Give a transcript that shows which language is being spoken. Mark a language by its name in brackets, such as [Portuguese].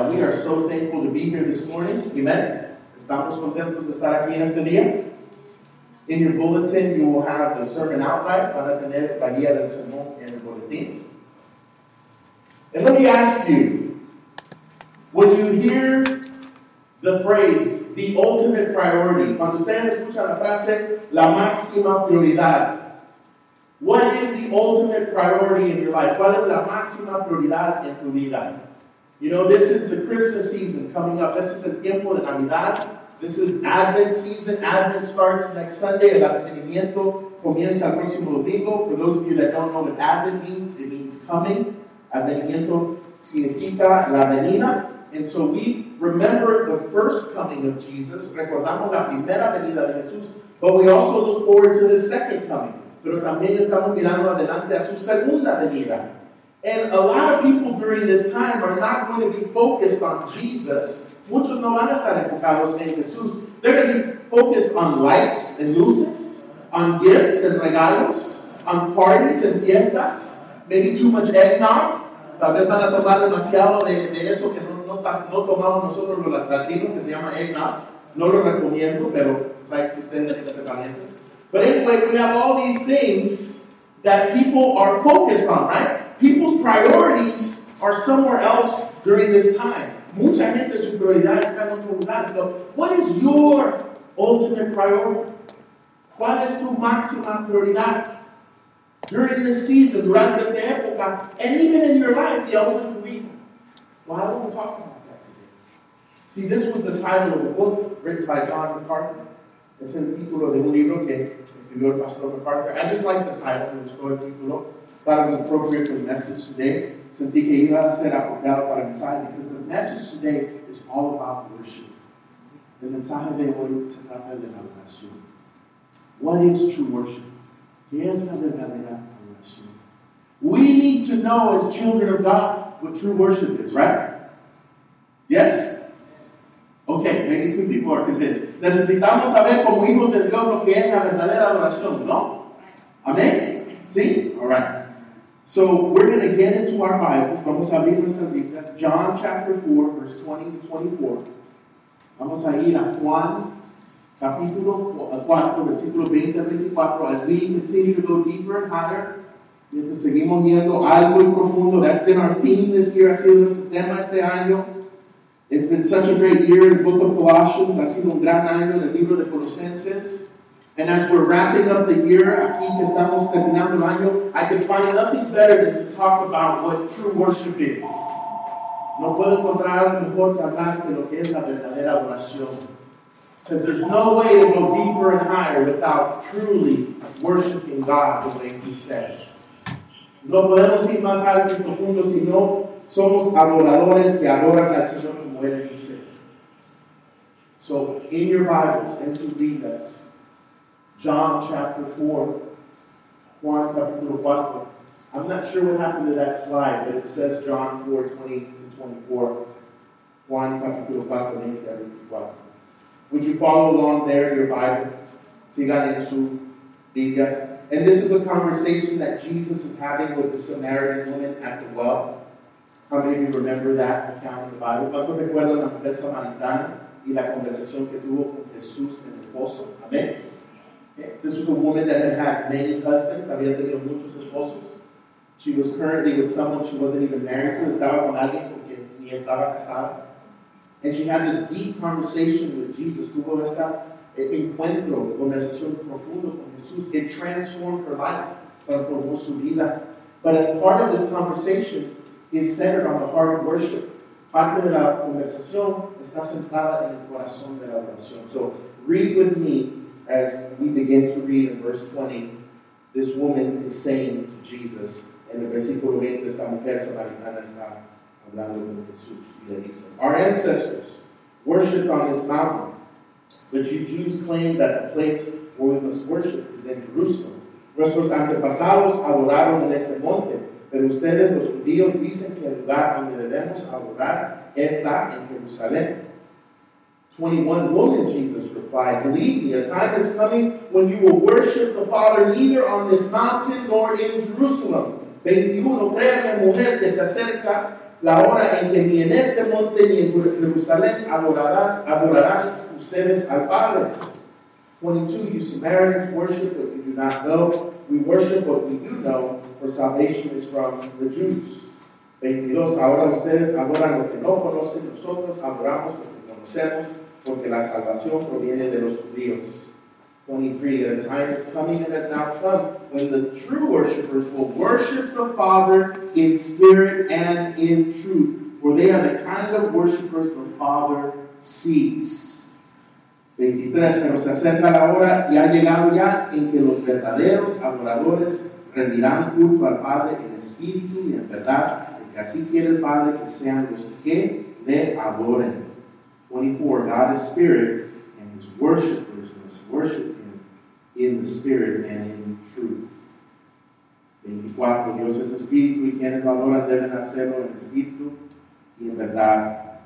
[English] are so thankful to be here this morning. Amen. [Spanish] Estamos contentos de estar aquí en este día. [English] In your bulletin, you will have the sermon outline. [Spanish] Van a tener la guía del sermón en el boletín. [English] And let me ask you, when you hear the phrase, the ultimate priority, [Spanish] cuando ustedes escuchan la frase, la máxima prioridad, [English] what is the ultimate priority in your life? [Spanish] ¿Cuál es la máxima prioridad en tu vida? [English] You know, this is the Christmas season coming up. This is [Spanish] el tiempo de Navidad. [English] This is Advent season. Advent starts next Sunday. [Spanish] El advenimiento comienza el próximo domingo. [English] For those of you that don't know what Advent means, it means coming. [Spanish] Advenimiento significa la venida. [English] And so we remember the first coming of Jesus. [Spanish] Recordamos la primera venida de Jesús. [English] But we also look forward to the second coming. [Spanish] Pero también estamos mirando adelante a su segunda venida. [English] And a lot of people during this time are not going to be focused on Jesus. [Spanish] Muchos no van a estar enfocados en Jesús. [English] They're going to be focused on lights and luces, on gifts and regalos, on parties and fiestas, maybe too much eggnog. [Spanish] Tal vez van a tomar demasiado de eso que no tomamos nosotros los latinos, que se llama eggnog. No lo recomiendo, pero existen herramientas. [English] But anyway, we have all these things that people are focused on, right? People's priorities are somewhere else during this time. [Spanish] Mucha gente su prioridad está en otro lugar. [English] So, what is your ultimate priority? [Spanish] ¿Cuál es tu máxima prioridad? [English] During this season, [Spanish] durante esta época, [English] and even in your life, the only thing we... Well, I don't want to talk about that today. See, this was the title of a book written by John MacArthur. [Spanish] Es el título de un libro que escribió el Pastor MacArthur. [English] I just like the title, it was called Título. Thought it was appropriate for the message today. [Spanish] Sentí que iba a ser apropiado para el mensaje, [English] because the message today is all about worship. [Spanish] El mensaje de hoy se trata de la adoración. [English] What is true worship? [Spanish] ¿Qué es la verdadera adoración? [English] We need to know as children of God what true worship is, right? Yes? Okay, maybe two people are convinced. [Spanish] Necesitamos saber como hijos de Dios lo que es la verdadera adoración, ¿no? Amén? ¿Sí? [English] All right. So we're going to get into our Bibles. [Spanish] Vamos a abrir nuestra Biblia. [English] John chapter 4, verse 20 to 24. [Spanish] Vamos a ir a Juan, capítulo 4, versículo 20 a 24. [English] As we continue to go deeper and higher, [Spanish] mientras seguimos yendo algo y profundo. [English] That's been our theme this year. [Spanish] Ha sido nuestro tema este año. [English] It's been such a great year in the book of Colossians. [Spanish] Ha sido un gran año en el libro de Colosenses. [English] And as we're wrapping up the year, [Spanish] aquí que estamos terminando el año, [English] I can find nothing better than to talk about what true worship is. [Spanish] No puedo encontrar mejor que hablar de lo que es la verdadera adoración. [English] Because there's no way to go deeper and higher without truly worshiping God the way He says. [Spanish] No podemos ir más alto y profundo si no somos adoradores que adoran al Señor como Él dice. [English] So, in your Bibles, [Spanish] en tus Biblias, [English] John chapter 4, [Spanish] Juan capítulo 4. [English] I'm not sure what happened to that slide, but it says John 4, 20 to 24. [Spanish] Juan capítulo 4, [English] 20 to 24. Would you follow along there in your Bible? [Spanish] Sigan en su Biblia. [English] And this is a conversation that Jesus is having with the Samaritan woman at the well. How many of you remember that account in the Bible? [Spanish] ¿Cuánto recuerdan la mujer samaritana y la conversación que tuvo con Jesús en el pozo? Amén. [English] This was a woman that had had many husbands. [Spanish] Había tenido muchos esposos. [English] She was currently with someone she wasn't even married to. [Spanish] Estaba con alguien porque ni estaba casada. [English] And she had this deep conversation with Jesus. [Spanish] Tuvo esta encuentro, conversación profundo con Jesús. [English] It transformed her life. [Spanish] Transformó su vida. [English] But a part of this conversation is centered on the heart of worship. [Spanish] Parte de la conversación está centrada en el corazón de la oración. [English] So read with me. As we begin to read in verse 20, this woman is saying to Jesus, [Spanish] en el versículo 20, esta mujer samaritana está hablando con Jesús y le dice, [English] our ancestors worshipped on this mountain, but you Jews claim that the place where we must worship is in Jerusalem. [Spanish] Nuestros antepasados adoraron en este monte, pero ustedes, los judíos, dicen que el lugar donde debemos adorar está en Jerusalén. [English] 21, woman, Jesus replied, believe me, a time is coming when you will worship the Father neither on this mountain nor in Jerusalem. [Spanish] 21, créame, mujer, que se acerca la hora en que ni en este monte ni en Jerusalén adorarán ustedes al Padre. [English] 22, you Samaritans worship what you do not know. We worship what we do know, for salvation is from the Jews. [Spanish] 22, ahora ustedes adoran lo que no conocen, nosotros adoramos lo que conocemos, porque la salvación proviene de los judíos. [English] 23, the time is coming and has now come when the true worshipers will worship the Father in spirit and in truth, for they are the kind of worshipers the Father seeks. [Spanish] 23, pero se acerca la hora y ha llegado ya en que los verdaderos adoradores rendirán culto al Padre en espíritu y en verdad, porque así quiere el Padre que sean los que le adoren. [English] 24, God is spirit, and his worshipers must worship him in the spirit and in the truth. [Spanish] 24, Dios es espíritu y quienes lo adoran deben hacerlo en espíritu y en verdad.